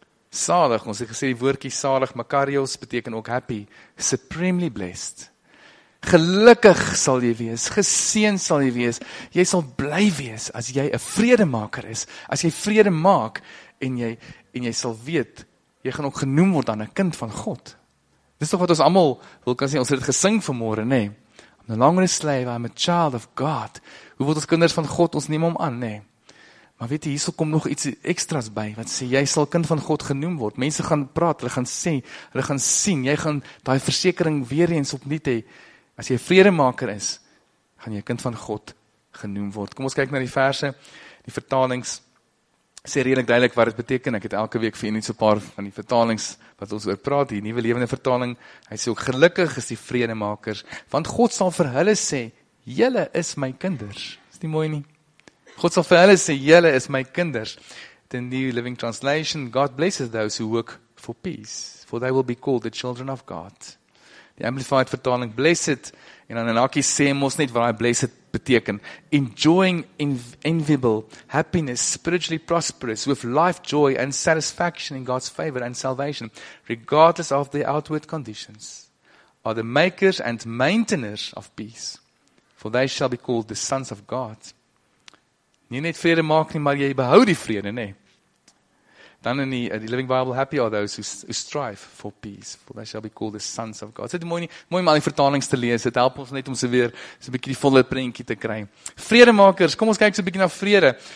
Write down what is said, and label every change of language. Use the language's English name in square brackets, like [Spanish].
[Afrikaans] Salig, ons het gesê die woordkie salig, makarios beteken ook happy, supremely blessed. Gelukkig sal jy wees, geseen sal jy wees, jy sal bly wees, as jy 'n vredemaker is, as jy vrede maak, en jy sal weet, jy gaan ook genoem word aan 'n kind van God. Dit is toch wat ons allemaal wil kan sê, ons het het gesing vanmorgen, nee. [English] I'm no longer a slave, I'm a child of God. [Afrikaans] Hoe word ons kinders van God, ons neem om aan, nee. Maar weet jy, hier sal kom nog iets extra's by, wat sê, jy sal kind van God genoem word. Mense gaan praat, hulle gaan sê, hulle gaan sien, jy gaan die versekering weer eens opnieuw hê. As jy vredemaker is, gaan jy kind van God genoem word. Kom ons kyk na die verse, die vertalings, sê redelijk duidelijk wat het beteken, ek het elke week vir jy net so paar van die vertalings, wat ons oor praat, die nieuwe lewende vertaling, hy sê ook, gelukkig is die vredemakers, want God sal vir hulle sê, julle is my kinders, is nie mooi nie? [English] God sal vir hulle sê, julle is my kinders, the New Living Translation, God blesses those who work for peace, for they will be called the children of God. Die Amplified vertaling, blessed, en dan in hakkie sê, mos net waar hy blessed beteken, enjoying enviable happiness, spiritually prosperous, with life, joy, and satisfaction in God's favor and salvation, regardless of the outward conditions, are the makers and maintainers of peace, for they shall be called the sons of God. [Afrikaans] Nie net vrede maak nie, maar jy behou die vrede, nee. Dan in die Living Bible, happy are those who strive for peace, for they shall be called the sons of God. Dit is mooi nie, mooi om al die vertalings te lees, dit help ons net om so weer so'n bykie die volle prentjie te kry. Vredemakers, kom ons kyk so'n bykie na vrede.